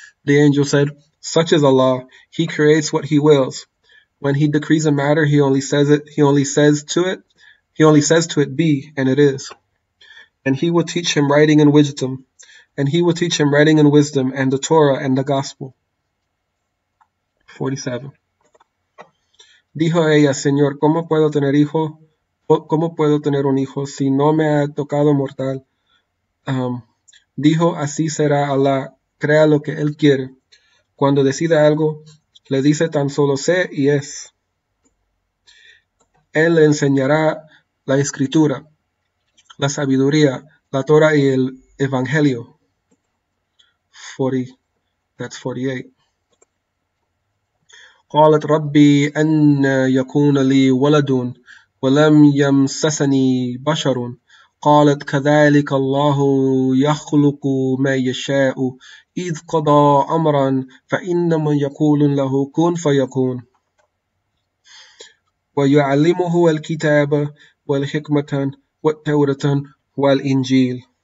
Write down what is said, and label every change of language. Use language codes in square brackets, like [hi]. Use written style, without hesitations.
[en] The angel said, Such is Allah. He creates what he wills. When he decrees a matter, he only says to it, be, and it is. And he will teach him writing and wisdom. And he will teach him writing and wisdom and the Torah and the gospel. 47. [es] Dijo ella, Señor, ¿cómo puedo tener un hijo si no me ha tocado mortal? Dijo, así será Allah, crea lo que él quiere. Cuando decida algo, le dice tan solo sé y es. Él le enseñará la escritura, la sabiduría, la Torah y el evangelio. [en] 40, that's 48. [ar] قالت ربي أن يكون لي ولد ولم يمسسني بشر قالت كذلك الله يخلق ما يشاء إذ قضى أمرا فإنما يقول له كن فيكون ويعلمه الكتاب والحكمة والتوراة والإنجيل.